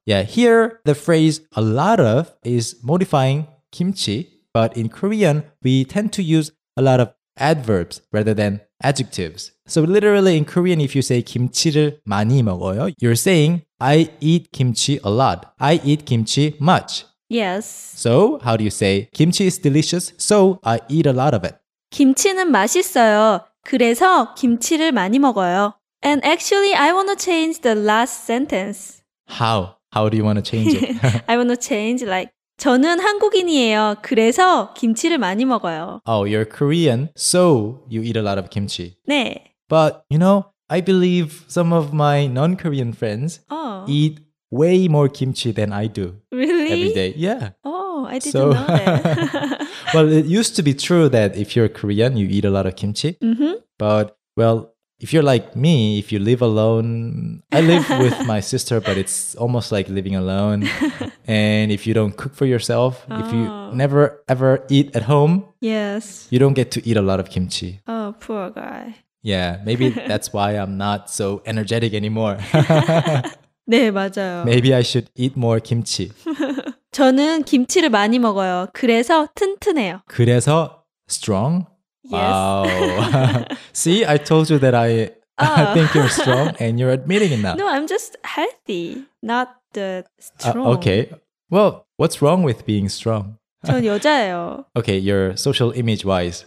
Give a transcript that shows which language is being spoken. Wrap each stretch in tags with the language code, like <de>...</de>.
<en>Yeah, here the phrase a lot of is modifying kimchi, but in Korean, we tend to use a lot of adverbs rather than adjectives. So literally in Korean, if you say</en> <ko>김치를 많이 먹어요,</ko> <en>you're saying I eat kimchi a lot. I eat kimchi much. Yes. So how do you say kimchi is delicious, so I eat a lot of it?</en> <ko>김치는 맛있어요. 그래서 김치를 많이 먹어요.</ko> <en>And actually, I want to change the last sentence. How? How do you want to change it? I want to change like</en> <ko>저는 한국인이에요. 그래서 김치를 많이 먹어요.</ko> <en>Oh, you're Korean, so you eat a lot of kimchi.</en> <ko>네.</ko> <en>But, you know, I believe some of my non-Korean friends eat way more kimchi than I do. Really? Every day. Yeah. Oh, I didn't know that. Well, it used to be true that if you're Korean, you eat a lot of kimchi. Mm-hmm. But, well, if you're like me, if you live alone, I live with my sister, but it's almost like living alone. And if you don't cook for yourself, if you never ever eat at home, yes, you don't get to eat a lot of kimchi. Oh, poor guy. Yeah, maybe that's why I'm not so energetic anymore.</en> <ko>네, 맞아요.</ko> <en>Maybe I should eat more kimchi.</en> <ko>저는 김치를 많이 먹어요. 그래서 튼튼해요. 그래서 strong?</ko> <en>Yes. Wow. See, I told you that I think you're strong and you're admitting it now. No, I'm just healthy, not the strong. Okay. Well, what's wrong with being strong?</en> <ko>전 여자예요.</ko> <en>Okay, your social image wise.</en>